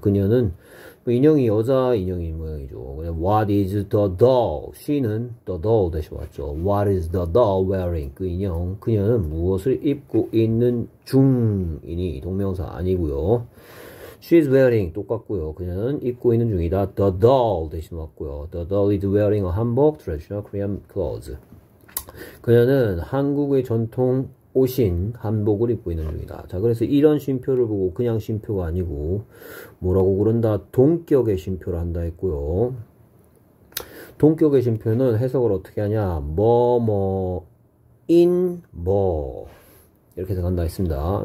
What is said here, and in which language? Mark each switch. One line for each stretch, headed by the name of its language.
Korean: 그녀는 인형이 여자 인형인 모양이죠. 그냥
English: What is the doll? She는 the doll
Korean: 대신 왔죠.
English: What is the doll wearing?
Korean: 그 인형. 그녀는 무엇을 입고 있는 중이니? 동명사 아니고요.
English: She's wearing
Korean: 똑같고요. 그녀는 입고 있는 중이다. The doll 대신 왔고요.
English: The doll is wearing a 한복, traditional Korean clothes.
Korean: 그녀는 한국의 전통 옷인 한복을 입고 있는 중이다. 자, 그래서 이런 쉼표를 보고 그냥 쉼표가 아니고 뭐라고 그런다? 동격의 쉼표를 한다 했고요. 동격의 쉼표는 해석을 어떻게 하냐? 뭐뭐 in 뭐 이렇게 생각한다 했습니다.